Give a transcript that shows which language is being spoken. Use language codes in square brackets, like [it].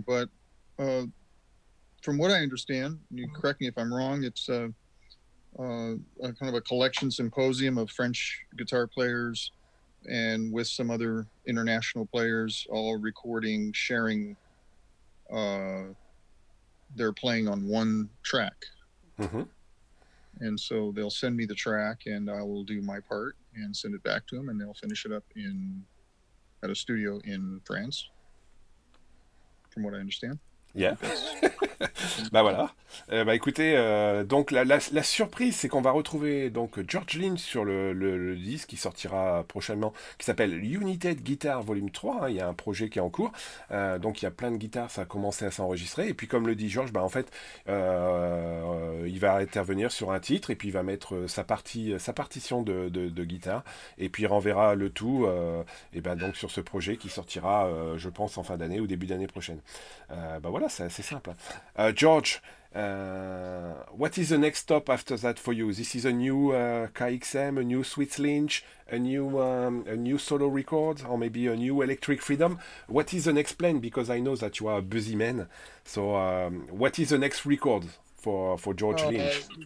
[en] But from what I understand, you correct me if I'm wrong, it's a kind of a collection symposium of French guitar players and with some other international players all recording, sharing they're playing on one track. Mm-hmm. And so they'll send me the track and I will do my part and send it back to them and they'll finish it up in at a studio in France, from what I understand. [fr] Yeah. Bah voilà. Bah écoutez, donc la surprise, c'est qu'on va retrouver donc George Lynch sur le disque qui sortira prochainement, qui s'appelle United Guitar Volume 3. Hein, il y a un projet qui est en cours. Donc il y a plein de guitares, ça a commencé à s'enregistrer. Et puis comme le dit George, bah en fait, il va intervenir sur un titre et puis il va mettre sa partition de guitare. Et puis il renverra le tout et bah donc sur ce projet qui sortira, je pense, en fin d'année ou début d'année prochaine. Bah voilà, c'est assez simple. [en] George, what is the next stop after that for you? This is a new KXM, a new Sweet Lynch, a new solo record, or maybe a new Electric Freedom. What is the next plan? Because I know that you are a busy man. So what is the next record for George Lynch?